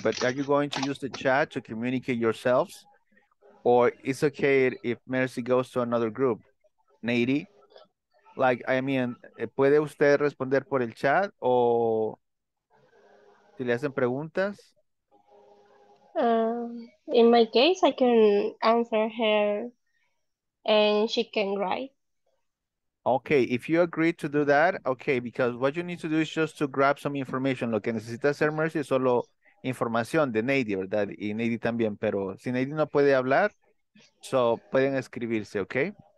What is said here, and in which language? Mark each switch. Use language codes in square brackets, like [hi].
[en] But are you going to use the chat to communicate yourselves? Or it's okay if Mercy goes to another group, Nady? Like, I mean, [es] ¿puede usted responder por el chat? ¿O si le hacen preguntas? [en] In my case, I can answer her and she can write. Okay, if you agree to do that, okay, because what you need to do is just to grab some information. [es] Lo que necesita hacer Mercy es solo información de Nady, ¿verdad? Y Nady también, pero si Nady no puede hablar, so pueden escribirse, okay?